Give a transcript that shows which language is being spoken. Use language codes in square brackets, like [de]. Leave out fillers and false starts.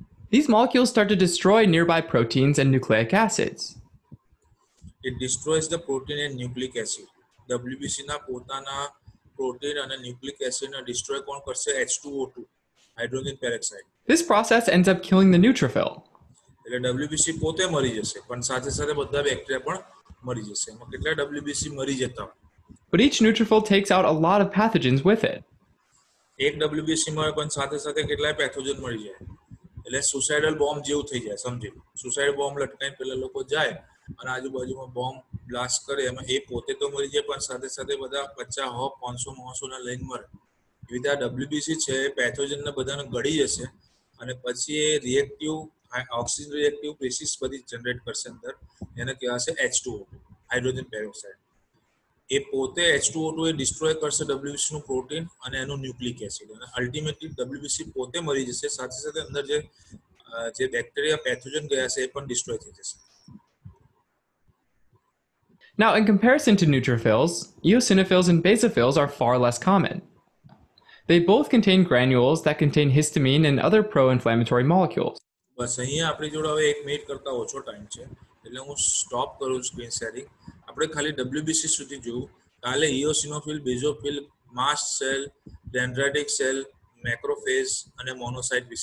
[en] These molecules start to destroy nearby proteins and nucleic acids. It destroys the protein and nucleic acid. [gu] WBC na potana protein and nucleic acid na destroy kon karse? [en] H2O2, hydrogen peroxide. This process ends up killing the neutrophil. [gu] એટલે WBC પોતે મરી જશે પણ સાથે સાથે બધા bacteria પણ મરી જશે. એમાં કેટલા WBC મરી જતા? [en] But each neutrophil takes out a lot of pathogens with it. [gu] એક WBC માં પણ સાથે સાથે કેટલા પેથોજન મરી જાય? એટલે સુસાઇડલ બોમ્બ જેવું થઈ જાય, સમજે? સુસાઇડ બોમ્બ લટકાઈને પેલા લોકો જાય અને આજુબાજુમાં બોમ્બ બ્લાસ્ટ કરે એમાં એ પોતે તો મરી જાય પણ સાથે સાથે બધા 50, 100, 500 ના લઈને મરે. એવી રીતે આ WBC છે એ પેથોજનને બધાને ગળી જશે અને પછી એ રિએક્ટિવ ઓક્સિજન રિએક્ટિવ બેસિસ બધી જનરેટ કરશે અંદર. એને કહેવાશે H2O2, હાઇડ્રોજન પેરોક્સાઇડ. એ પોતે H2O2 એ ડિસ્ટ્રોય કરશે WBCનું પ્રોટીન અને એનું ન્યુક્લિક એસિડ અને અલ્ટિમેટલી WBC પોતે મરી જશે, સાથે સાથે અંદર જે બેક્ટેરિયા પેથોજન ગયા છે એ પણ ડિસ્ટ્રોય થઈ જશે. [en] Now in comparison to neutrophils, eosinophils and basophils are far less common. They both contain granules that contain histamine and other pro-inflammatory molecules. [gu] બસ અહીંયા આપણી જોડે હવે 1 મિનિટ કરતા ઓછો ટાઈમ છે એટલે હું સ્ટોપ કરું સ્ક્રીન શેરિંગ. આપણે ખાલી WBC સુધી જોયું. કાલે ઇયોસિનોફિલ, બેઝોફિલ, માસ્ટ સેલ, ડેન્ડ્રાઇટિક સેલ, મેક્રોફેઝ અને મોનોસાઇટ વિશે જોઈશું. આમાં કોઈ ના કોઈ ક્વેરી, ક્વેશ્ચન, ડાઉટ, શંકા હોય તો